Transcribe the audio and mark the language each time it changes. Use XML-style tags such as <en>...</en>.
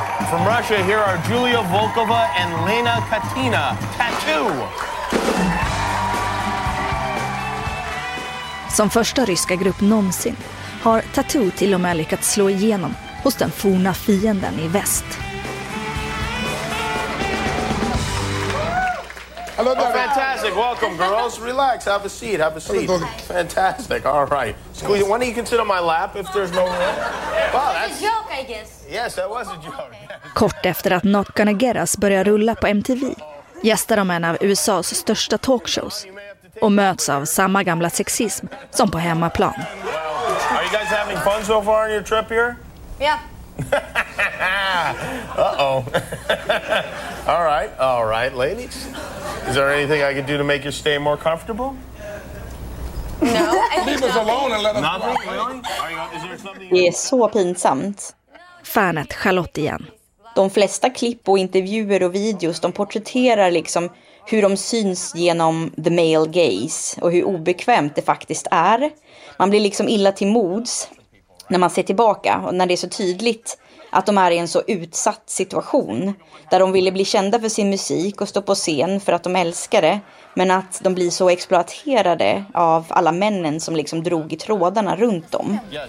<en>From Russia, here are Julia Volkova and Lena Katina. Tattoo!</en> <sv>Som första ryska grupp någonsin har Tattoo till och med lyckats slå igenom hos den forna fienden i väst.</sv> <en>Hello there. Oh, fantastic. Welcome, girls. Relax. Have a seat. Have a seat. Fantastic. All right. Squeeze. Why don't you consider my lap if there's no room? Wow, that's a joke, I guess. Yes, that was a joke.</en> <sv>Kort efter att Not Gonna Get Us börjar rulla på MTV gästar de en av USA:s största talkshows och möts av samma gamla sexism som på hemmaplan.</sv> <en>Are you guys having fun so far on your trip here? Yeah. Uh-oh. all right, ladies. Is there anything I could do to make your stay more comfortable? No. Leave us alone and let us fly.</en> <sv>Det är så pinsamt. Fanet Charlotte igen. De flesta klipp och intervjuer och videos, de porträtterar liksom hur de syns genom</sv> <en>the male gaze</en> <sv>och hur obekvämt det faktiskt är. Man blir liksom illa till mods när man ser tillbaka och när det är så tydligt att de är i en så utsatt situation där de ville bli kända för sin musik och stå på scen för att de älskar det, men att de blir så exploaterade av alla männen som liksom drog i trådarna runt dem.</sv>